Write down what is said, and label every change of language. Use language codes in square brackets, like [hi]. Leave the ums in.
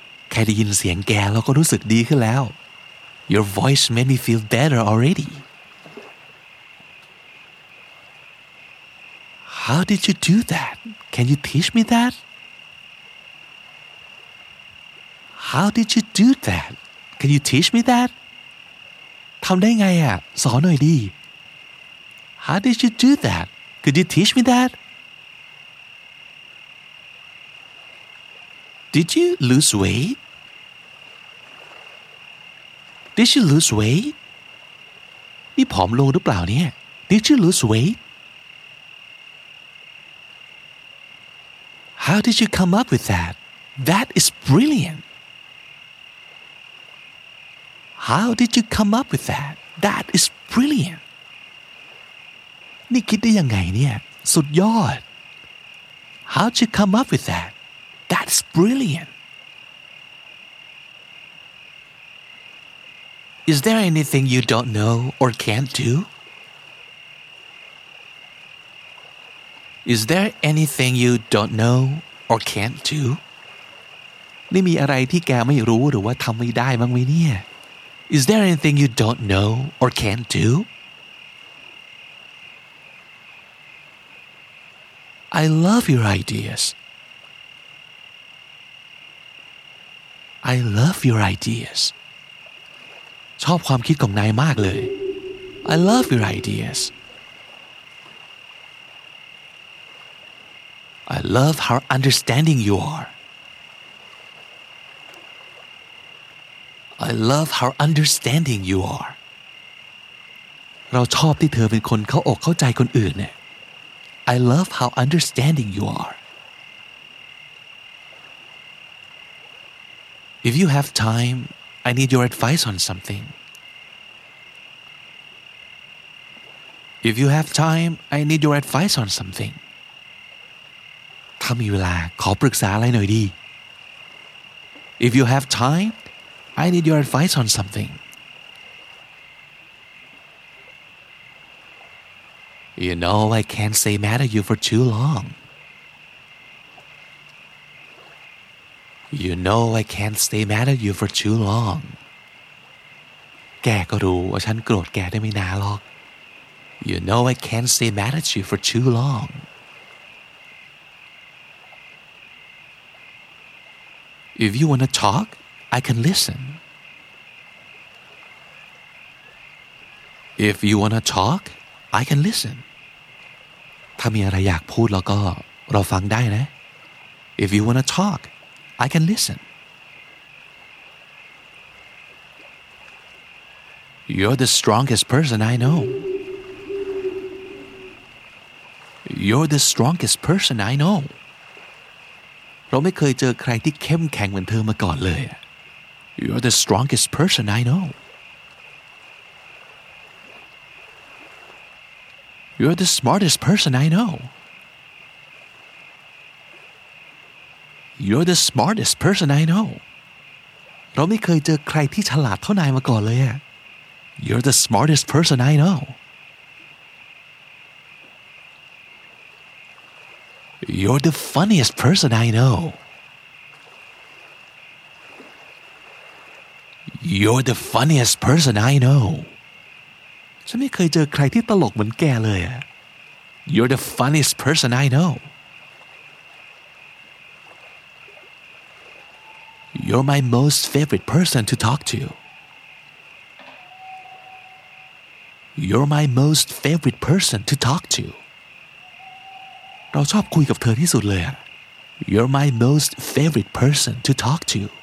[th] แค่ได้ยินเสียงแกเราก็รู้สึกดีขึ้นแล้ว [en] Your voice made me feel better already. How did you do that? Can you teach me that? How did you do that? Can you teach me that? [th] ทำได้ไงอ่ะสอนหน่อยดิ [en] How did you do that? Could you teach me that? Did you lose weight? Did you lose weight? [th] นี่ผอมลงหรือเปล่าเนี่ย [en] Did you lose weight? How did you come up with that? That is brilliant. How did you come up with that? That is brilliant. [th] นี่คิดได้ยังไงเนี่ย สุดยอด [en] How'd you come up with that? That's brilliant. Is there anything you don't know or can't do? Is there anything you don't know or can't do? [th] นี่มีอะไรที่แกไม่รู้หรือว่าทำไม่ได้บ้างไหมเนี่ย [en] Is there anything you don't know or can't do? I love your ideas. I love your ideas. [th] ชอบความคิดของนายมากเลย [en] I love your ideas. I love how understanding you are. I love how understanding you are. [th] เราชอบที่เธอเป็นคนเข้าอกเข้าใจคนอื่นเนี่ย [en] I love how understanding you are. If you have time, I need your advice on something. If you have time, I need your advice on something. [th] ถ้ามีเวลาขอปรึกษาอะไรหน่อยดี [en] If you have time I need your advice on something You know I can't stay mad at you for too long You know I can't stay mad at you for too long [th] แกก็รู้ว่าฉันโกรธแกได้ไม่นานหรอก [en] You know I can't stay mad at you for too long If you want to talk, I can listen. If you want to talk, I can listen. [th] ถ้ามีอะไรอยากพูดแล้วก็เราฟังได้นะ [en] If you want to talk, I can listen. You're the strongest person I know. You're the strongest person I know. [th] เราไม่เคยเจอใครที่เข้มแข็งเหมือนเธอมาก่อนเลยอะ [en] You're the strongest person I know You're the smartest person I know You're the smartest person I know [th] เราไม่เคยเจอใครที่ฉลาดเท่านายมาก่อนเลยอะ [en] You're the smartest person I know You're the funniest person I know. You're the funniest person I know. [th] ฉันไม่เคยเจอใครที่ตลกเหมือนแกเลยอะ [en] You're the funniest person I know. You're my most favorite person to talk to. You're my most favorite person to talk to. [th] เราชอบคุยกับเธอที่สุดเลยอะ [en] You're my most favorite person to talk to